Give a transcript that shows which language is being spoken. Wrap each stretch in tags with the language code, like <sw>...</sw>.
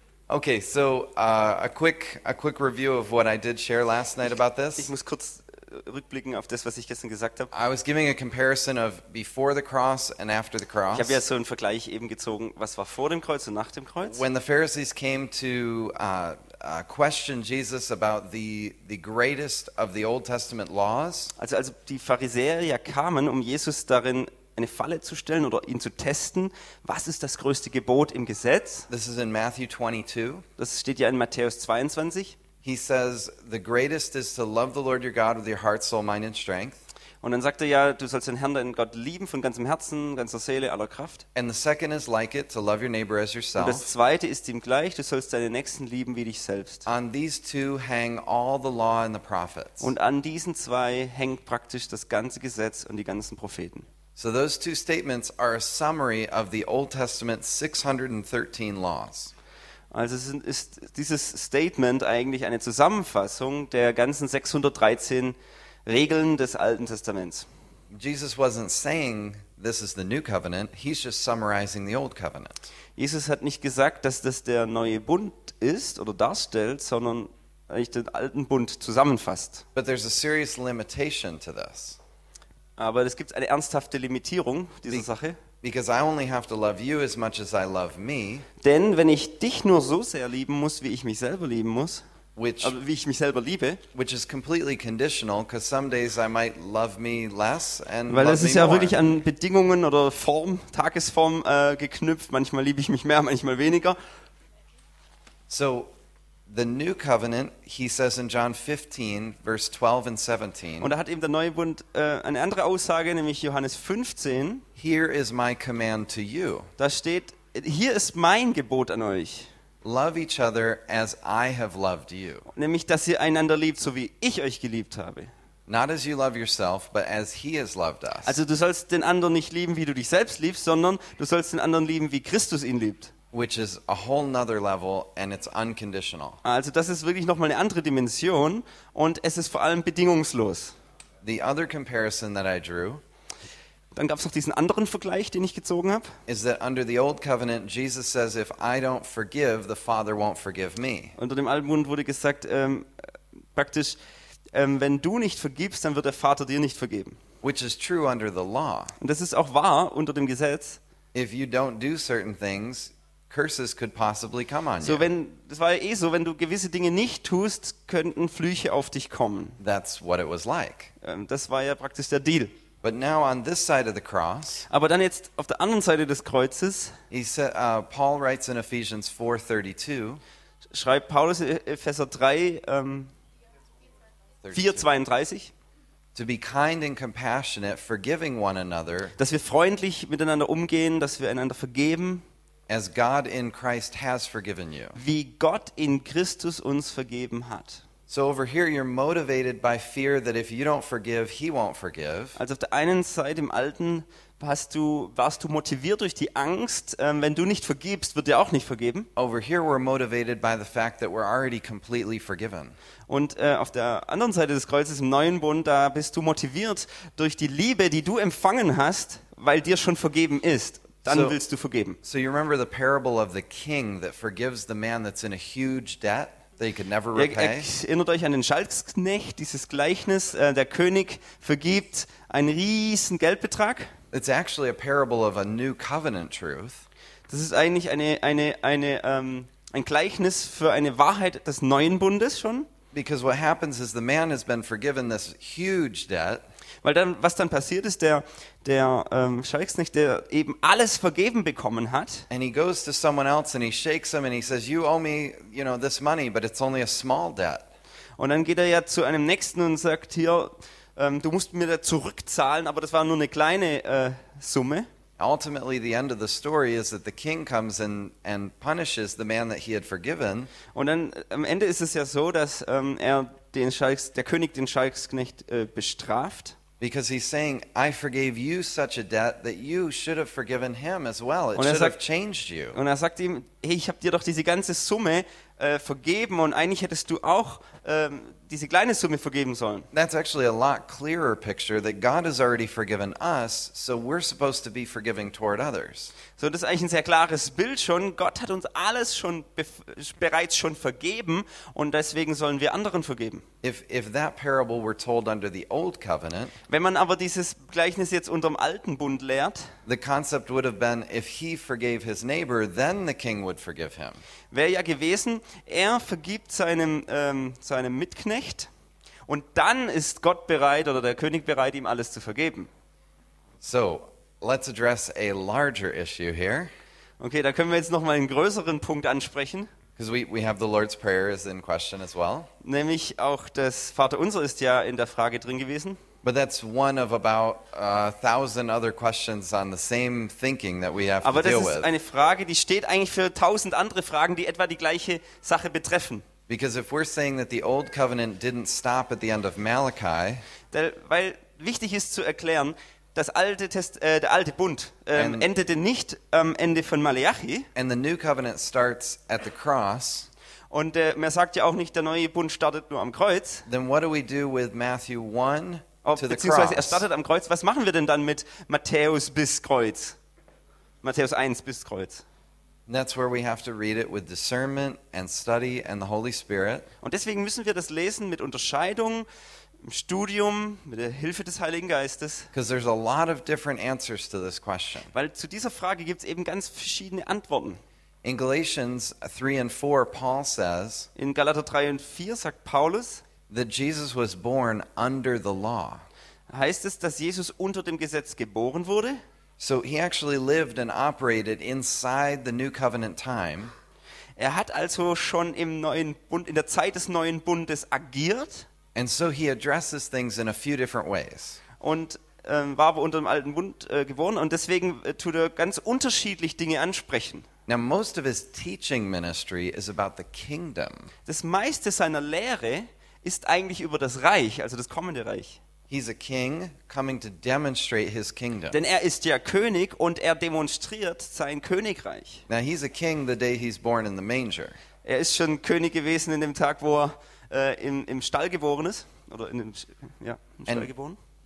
<en>Okay, so a quick review of what I did share last night about this.</en> <de>Ich muss kurz rückblicken auf das, was ich gestern gesagt habe.</de> <en>I was giving a comparison of before the cross and after the cross.</en> <de>Ich habe ja so einen Vergleich eben gezogen, was war vor dem Kreuz und nach dem Kreuz.</de> <en>When the Pharisees came to question Jesus about the greatest of the Old Testament laws.</en> <de>Also die Pharisäer ja kamen, um Jesus darin eine Falle zu stellen oder ihn zu testen. Was ist das größte Gebot im Gesetz?</de> <en>This is in Matthew 22.</en> <de>Das steht ja in Matthäus 22.</de> <en>He says, the greatest is to love the Lord your God with your heart, soul, mind and strength.</en> <de>Und dann sagt er ja, du sollst den Herrn, deinen Gott lieben von ganzem Herzen, ganzer Seele, aller Kraft.</de> <en>And the second is like it, to love your neighbor as yourself.</en> <de>Und das zweite ist ihm gleich, du sollst deinen Nächsten lieben wie dich selbst.</de> <en>On these two hang all the law and the prophets.</en> <de>Und an diesen zwei hängt praktisch das ganze Gesetz und die ganzen Propheten.</de> <en>So those two statements are a summary of the Old Testament 613 laws.</en> <de>Also ist dieses Statement eigentlich eine Zusammenfassung der ganzen 613 Regeln des Alten Testaments.</de> <en>Jesus wasn't saying this is the new covenant, he's just summarizing the old covenant.</en> <de>Jesus hat nicht gesagt, dass das der neue Bund ist oder darstellt, sondern eigentlich den alten Bund zusammenfasst.</de> <en>But there's a serious limitation to this.</en> <de>Aber es gibt eine ernsthafte Limitierung dieser Sache.</de> <en>Because I only have to love you as much as I love me.</en> <de>Denn wenn ich dich nur so sehr lieben muss, wie ich mich selber lieben muss, aber wie ich mich selber liebe,</de> <en>which is completely conditional, because some days I might love me less and</en> <de>weil es ist ja</de> <en>more.</en> <de>Wirklich an Bedingungen oder Form, Tagesform geknüpft. Manchmal liebe ich mich mehr, manchmal weniger.</de> <en>So the new covenant, he says in John 15, verse 12 and 17.</en> <de>Und da hat eben der neue Bund eine andere Aussage, nämlich Johannes 15.</de> <en>Here is my command to you.</en> <de>Da steht, hier ist mein Gebot an euch.</de> <en>Love each other as I have loved you.</en> <de>Nämlich, dass ihr einander liebt, so wie ich euch geliebt habe.</de> <en>Not as you love yourself, but as he has loved us.</en> <de>Also du sollst den anderen nicht lieben, wie du dich selbst liebst, sondern du sollst den anderen lieben, wie Christus ihn liebt.</de> <en>Which is a whole nother level and it's unconditional.</en> <de>Also das ist wirklich nochmal eine andere Dimension und es ist vor allem bedingungslos.</de> <en>The other comparison that I drew,</en> <de>dann gab es noch diesen anderen Vergleich, den ich gezogen habe.</de> <en>Is that under the old covenant, Jesus says, if I don't forgive, the Father won't forgive me.</en> <de>Unter dem alten Bund wurde gesagt, praktisch, wenn du nicht vergibst, dann wird der Vater dir nicht vergeben.</de> <en>Which is true under the law.</en> <de>Und das ist auch wahr unter dem Gesetz.</de> <en>If you don't do certain things, curses could possibly come on you.</en> <de>So wenn das war ja eh so, wenn du gewisse Dinge nicht tust, könnten Flüche auf dich kommen.</de> <en>That's what it was like.</en> <de>Das war ja praktisch der Deal.</de> <en>But now on this side of the cross,</en> <de>aber dann jetzt auf der anderen Seite des Kreuzes,</de> <en>Paul writes in Ephesians 4:32,</en> <de>schreibt Paulus in Epheser 3 4:32,</de> <en>to be kind and compassionate, forgiving one another.</en> <de>Dass wir freundlich miteinander umgehen, dass wir einander vergeben.</de> <en>As God in Christ has forgiven you.</en> <de>Wie Gott in Christus uns vergeben hat.</de> <en>So over here you're motivated by fear that if you don't forgive, he won't forgive.</en> <de>Also auf der einen Seite im Alten warst du motiviert durch die Angst, wenn du nicht vergibst, wird dir auch nicht vergeben.</de> <en>Over here we're motivated by the fact that we're already completely forgiven.</en> <de>Und auf der anderen Seite des Kreuzes im Neuen Bund, da bist du motiviert durch die Liebe, die du empfangen hast, weil dir schon vergeben ist. Dann willst du vergeben.</de> <en>So you remember the parable of the king that forgives the man that's in a huge debt that he could never repay?</en> <de>Erinnert euch an den Schalksknecht, dieses Gleichnis, der König vergibt einen riesen Geldbetrag.</de> <en>It's actually a parable of a new covenant truth.</en> <de>Das ist eigentlich ein Gleichnis für eine Wahrheit des neuen Bundes schon.</de> <en>Because what happens is the man has been forgiven this huge debt.</en> <de>Weil dann, was dann passiert ist, der Schalksknecht, der eben alles vergeben bekommen hat.</de> <en>And he goes to someone else and he shakes him and he says, you owe me, you know, this money, but it's only a small debt.</en> <de>Und dann geht er ja zu einem Nächsten und sagt, hier, du musst mir da zurückzahlen, aber das war nur eine kleine Summe.</de> <en>Ultimately, the end of the story is that the king comes and punishes the man that he had forgiven.</en> <de>Und dann am Ende ist es ja so, dass der König den Schalksknecht bestraft.</de> <en>Because he's saying, I forgave you such a debt that you should have forgiven him as well. It should have changed you.</en> <de>Und er sagt ihm, hey, ich habe dir doch diese ganze Summe vergeben und eigentlich hättest du auch diese kleine Summe vergeben sollen.</de> <en>That's actually a lot clearer picture that God has already forgiven us, so we're supposed to be forgiving toward others.</en> <de>So das ist eigentlich ein sehr klares Bild schon. Gott hat uns alles schon bereits schon vergeben und deswegen sollen wir anderen vergeben.</de> <en>If that parable were told under the old covenant,</en> <de>wenn man aber dieses Gleichnis jetzt unter dem alten Bund lehrt,</de> <en>the concept would have been if he forgave his neighbor, then the king would forgive him.</en> <de>Wäre ja gewesen, er vergibt seinem Mitknecht und dann ist Gott bereit oder der König bereit, ihm alles zu vergeben.</de> <en>So, let's address a larger issue here.</en> <de>Okay, da können wir jetzt nochmal einen größeren Punkt ansprechen.</de> <en>Because we have the Lord's Prayer is in question as well.</en> <de>Nämlich auch das Vaterunser ist ja in der Frage drin gewesen.</de> <en>But that's one of about 1,000 other questions on the same thinking that we have</en> <de>aber</de> <en>to deal with.</en> <de>Aber das ist eine Frage, die steht eigentlich für 1,000 andere Fragen, die etwa die gleiche Sache betreffen.</de> <en>Because if we're saying that the old covenant didn't stop at the end of Malachi,</en> <de>weil wichtig ist zu erklären, das alte der alte Bund endete nicht am Ende von Malachi.</de> <en>And the new covenant starts at the cross.</en> <de>Und man sagt ja auch nicht, der neue Bund startet nur am Kreuz.</de> <en>Then what do we do with Matthew 1?</en> <de>Beziehungsweise er startet am Kreuz. Was machen wir denn dann mit Matthäus bis Kreuz? Matthäus 1 bis Kreuz.</de> <en>And that's where we have to read it with discernment and study and the Holy Spirit.</en> <de>Und deswegen müssen wir das lesen mit Unterscheidung, im Studium, mit der Hilfe des Heiligen Geistes.</de> <en>Because there's a lot of different answers to this question.</en> <de>Weil zu dieser Frage gibt es eben ganz verschiedene Antworten.</de> <en>In Galatians 3 and 4, Paul says,</en> <de>in Galater 3 und 4 sagt Paulus,</de> <en>that Jesus was born under the law.</en> <de>Heißt es, dass Jesus unter dem Gesetz geboren wurde?</de> <en>So he actually lived and operated inside the New Covenant time.</en> <de>Er hat also schon im neuen Bund, in der Zeit des neuen Bundes agiert.</de> <en>And so he addresses things in a few different ways.</en> <de>Und war aber unter dem alten Bund geboren und deswegen tut er ganz unterschiedlich Dinge ansprechen.</de> <en>Now most of his teaching ministry is about the kingdom.</en> <de>Das meiste seiner Lehre ist eigentlich über das Reich, also das kommende Reich.</de> <en>He's a king coming to demonstrate his kingdom.</en> <de>Denn er ist ja König und er demonstriert sein Königreich.</de> <en>Now he's a king the day he's born in the manger.</en> <de>Er ist schon König gewesen in dem Tag, wo er im Stall geboren ist oder in dem ja, im Stall geboren.</de>